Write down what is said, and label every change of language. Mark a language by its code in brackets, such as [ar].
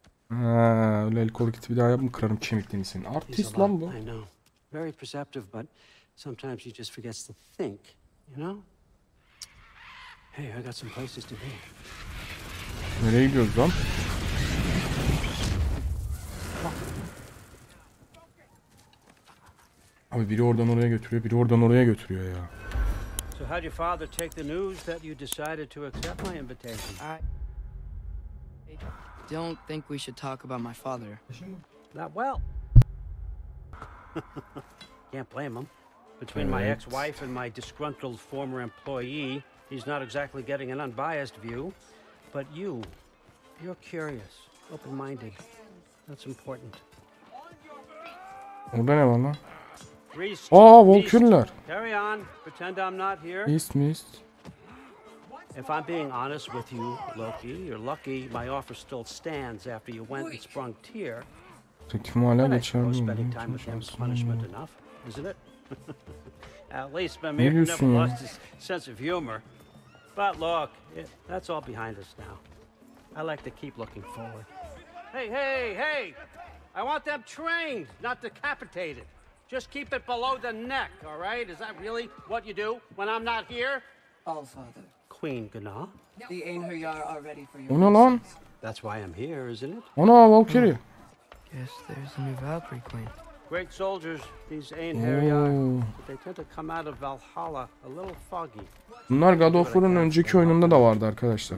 [tr] Öyle el kol gitti bir daha yapma, kırarım kemiklerini senin. Artist lan bu. [en] I know. Very perceptive, but sometimes he just forgets to think, you know? Hey, I got some places to be. [tr] Nereye gidiyoruz lan? Abi biri oradan oraya götürüyor, biri oradan oraya götürüyor ya. [en] So how'd your father take the news that you decided to accept my invitation? I don't think we should talk about my father. Not well. Can't blame him. Between my ex-wife and my disgruntled former employee, he's not exactly getting an unbiased view. But you, you're curious, open-minded. That's important. [tr] O da ne var lan? Aa, Valkürler. [en] Carry on. Pretend I'm not here. Beast, Beast. If I'm being honest with you, Loki, you're lucky my offer still stands after you went and sprung Tyr. [tr] Peki bu hala geçerli mi? Ne diyorsun ya? [en] Sense of humor. But look, it, that's all behind us now. I like to keep looking forward. Hey! I want them trained, not decapitated. Just keep it below the neck, all right? Is that really what you do when I'm not here? All father. Queen Gana. The Einherjar are ready for you. [tr] O ne lan? [en] That's why I'm here, isn't it? [tr] O ne lan, Valkyrie? [en] Yes, there's a new Valkyrie queen. Great soldiers, these Einherjar. They tend to come out of Valhalla a little foggy. [tr] Bunlar God of War'un önceki oyununda da vardı arkadaşlar.